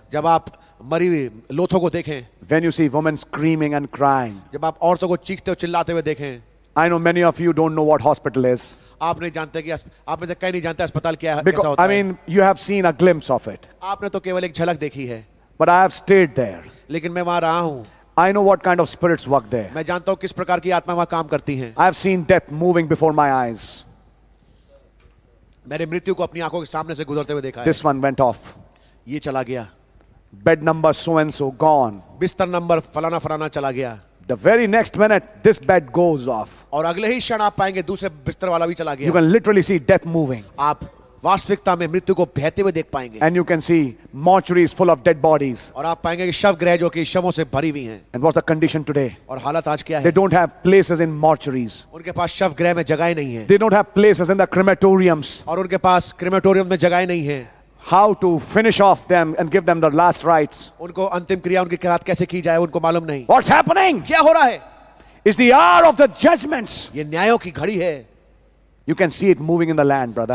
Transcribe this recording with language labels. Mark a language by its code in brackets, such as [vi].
[hi] जब आप मरी हुई लोथों को देखें. [en] When you see women screaming and crying, [hi] जब आप औरतों को चीखते और चिल्लाते हुए देखें. [en] I know many of you don't know what hospital is. [hi] आप नहीं जानते कि आप में से कई नहीं जानते अस्पताल क्या है. [en] Because I mean, you have seen a glimpse of it. [hi] आपने तो केवल एक झलक देखी है. [en] But I have stayed there. [hi] लेकिन मैं वहां रहा हूं. [en] I know what kind of spirits work there. [hi] मैं जानता हूं किस प्रकार की आत्मा वहां काम करती हैं. [en] I have seen death moving before my eyes. [hi] मैंने मृत्यु को अपनी आंखों के सामने से गुजरते हुए देखा. [en] This one went off. [hi] ये चला गया. [en] Bed number so and so gone. [hi] बिस्तर नंबर फलाना फलाना चला गया. [en] The very next minute, this bed goes off. [hi] और अगले ही क्षण आप पाएंगे दूसरे बिस्तर वाला भी चला गया. [en] You can literally see death moving. [hi] आप वास्तविकता में मृत्यु को बहते हुए देख पाएंगे. [en] And you can see mortuaries full of dead bodies. [hi] और आप पाएंगे कि शव गृह जो कि शवों से भरी हुई हैं. [en] And what's the condition today? [hi] और हालत आज क्या है? [en] They don't have places in mortuaries. [hi] उनके पास शव गृह में जगह नहीं है. [en] They don't have places in the crematoriums. [hi] और उनके पास क्रेमेटोरियम में जगह नहीं है. [en] How to finish off them and give them the last rites? [hi] उनको अंतिम क्रिया उनके साथ कैसे की जाए उनको मालूम नहीं. [en] What's happening? [hi] क्या हो रहा है? [en] It's the hour of the judgments. [hi] ये न्यायों की घड़ी है. [en] You can see it moving in the land, brother.